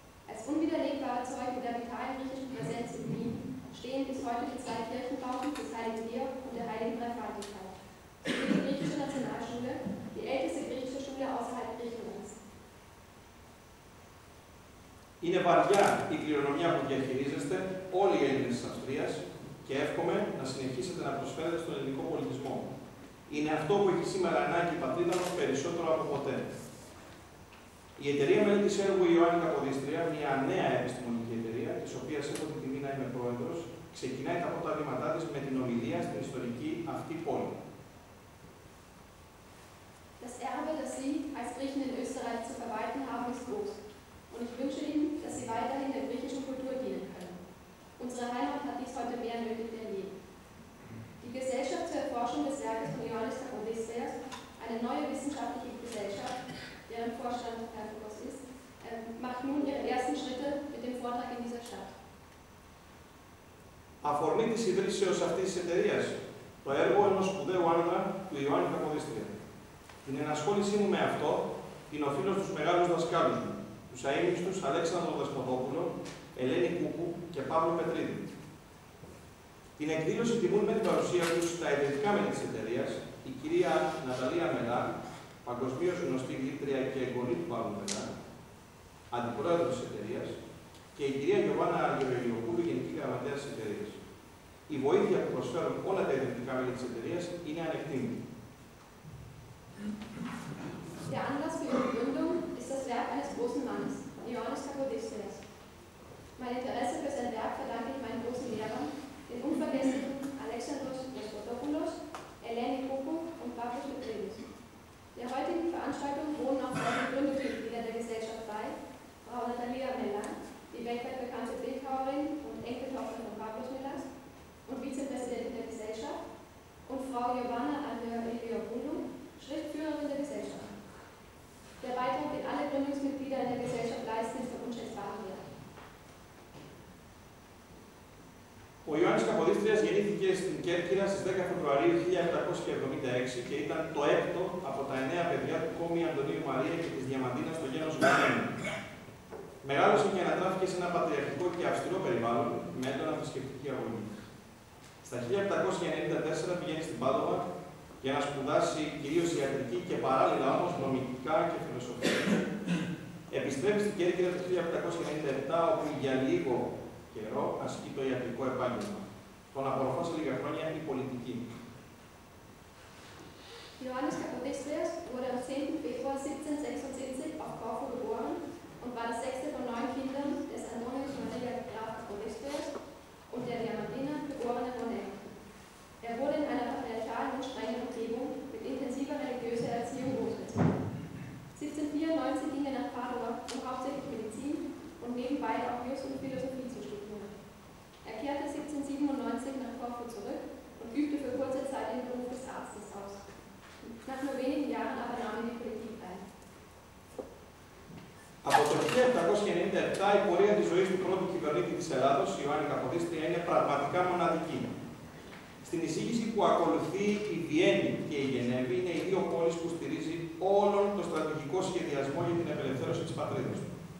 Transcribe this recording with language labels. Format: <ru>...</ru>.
<de>Als unwiderlegbare Zeugen der vitalen griechischen Präsenz in Wien stehen bis heute die zwei Kirchenbauten des Heiligen Georg und der Heiligen Dreifaltigkeit. Die griechische Nationalschule, die älteste griechische Schule außerhalb Griechenlands. In der Barriere, die Kleronomie, die ihr chinesiste, all die Ende des Austrias,</de> <el>και εύχομαι να συνεχίσετε να προσφέρετε στον ελληνικό πολιτισμό. Είναι αυτό που έχει σήμερα ανάγκη η πατρίδα μας περισσότερο από ποτέ. Η εταιρεία μελέτης έργου Ιωάννη Καποδίστρια, μια νέα επιστημονική εταιρεία, της οποίας έχω την τιμή να είμαι πρόεδρος, ξεκινάει τα πρώτα βήματά της με την ομιλία στην ιστορική αυτή πόλη.</el> <de>Das Erbe, das Sie als Griechen in Österreich zu verwalten haben, ist groß. Und ich wünsche Ihnen, dass Sie weiterhin der griechischen Kultur dienen können. Unsere Heimat hat dies heute mehr nötig denn je. Die Gesellschaft zur Erforschung des Werkes von Ioannis Kapodistrias, eine neue wissenschaftliche Gesellschaft, deren Vorstand Herr Fokos ist, macht nun ihre ersten Schritte mit dem Vortrag in dieser Stadt.</de> <el>Αφορμή της ιδρύσεως αυτής της εταιρείας, το έργο ενός σπουδαίου άνδρα του Ιωάννη Καποδίστρια. Την ενασχόλησή μου με αυτό την οφείλω στους μεγάλους δασκάλους μου, τους αείμνηστους Αλέξανδρο Δεσποδόπουλο, Ελένη Κούκου και Παύλο Πετρίδη. Την εκδήλωση τιμούν με την παρουσία τους στα ιδρυτικά μέλη της εταιρείας η κυρία Ναταλία Μελά, παγκοσμίως γνωστή γλύτρια και εγγονή του Παύλου Μελά, αντιπρόεδρο της εταιρείας, και η κυρία Γιωβάνα Αργυρογεννιοπούλου, γενική γραμματέα της εταιρείας. Η βοήθεια που προσφέρουν όλα τα ιδρυτικά μέλη της εταιρείας είναι ανεκτήμητη.</el> <de>Der Anlass für die Gründung ist das Werk eines großen Mannes, Ioannis Kapodistrias. Mein Interesse für sein Werk verdanke ich meinen großen Lehrern, den unvergessenen Alexandros Despotopoulos, Eleni Kuku und Pavlos Petridis. Der heutigen Veranstaltung wohnen auch zwei Gründungsmitglieder der Gesellschaft bei, Frau Natalia Mella, die weltweit bekannte Bildhauerin und Enkeltochter von Pavlos Mellas und Vizepräsidentin der Gesellschaft, und Frau Giovanna Andrea-Iliopoulou, Schriftführerin der Gesellschaft. Der Beitrag, den alle Gründungsmitglieder in der Gesellschaft leisten, ist unschätzbar hier.</de> <el>Ο Ιωάννης Καποδίστριας γεννήθηκε στην Κέρκυρα στις 10 Φεβρουαρίου 1776 και ήταν το έκτο από τα 9 παιδιά του Κόμη Αντωνίου Μαρία και της Διαμαντίνας στο γένος Γουδένου. Μεγάλωσε και ανατράφηκε σε ένα πατριαρχικό και αυστηρό περιβάλλον με έντονα θρησκευτική αγωγή. Στα 1794 πηγαίνει στην Πάδοβα για να σπουδάσει κυρίως ιατρική και παράλληλα όμως νομικά και φιλοσοφία. Επιστρέφει στην Κέρκυρα το 1797 όπου για λίγο καιρό ασκεί το ιατρικό επάγγελμα. Τον απορροφά σε λίγα χρόνια η πολιτική.</el> <de>Johannes Kapodistrias wurde am 10. Februar 1776 auf Korfu geboren und war das sechste von neun Kindern des Anonymous Maria Graf Kapodistrias und der Diamantina geborene Monet. Er wurde in einer patriarchalen und strengen Umgebung mit intensiver religiöser Erziehung großgezogen. 1794 ging er nach Padua, um hauptsächlich Medizin und nebenbei auch Jus und Philosophie zu studieren. Er kehrte 1797 nach Korfu zurück und übte für kurze Zeit den Beruf des Arztes aus. Nach nur wenigen Jahren aber nahm er die Politik ein.</de> <el>Από το 1797 η πορεία της ζωής του πρώτου κυβερνήτη της Ελλάδος, Ιωάννη Καποδίστρια, είναι πραγματικά μοναδική. Στην εισήγηση που ακολουθεί η Βιέννη και η Γενέβη είναι οι δύο πόλεις που στηρίζει όλον τον στρατηγικό σχεδιασμό για την απελευθέρωση της πατρίδας του.</el>